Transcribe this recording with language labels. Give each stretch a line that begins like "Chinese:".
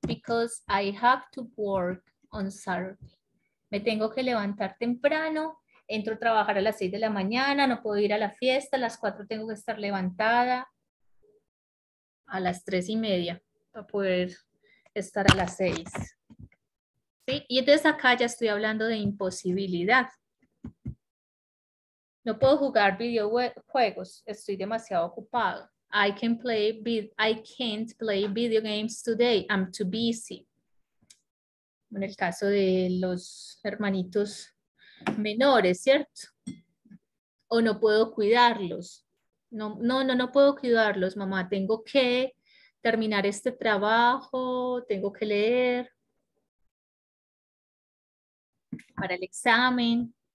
English: Because I have to work on Saturday.
Spanish: Me tengo que levantar temprano, entro a trabajar a las 6 de la mañana, no puedo ir a la fiesta, a las 4 tengo que estar levantada, a las 3 y media para poder estar a las 6. ¿Sí? Y entonces acá ya estoy hablando de imposibilidad. No puedo jugar videojuegos, estoy demasiado ocupado.
English: I can't play video games today. I'm too busy.
Spanish: En el caso de los hermanitos menores, ¿cierto? O no puedo cuidarlos. No puedo cuidarlos, mamá. Tengo que terminar este trabajo. Tengo que leer para el examen.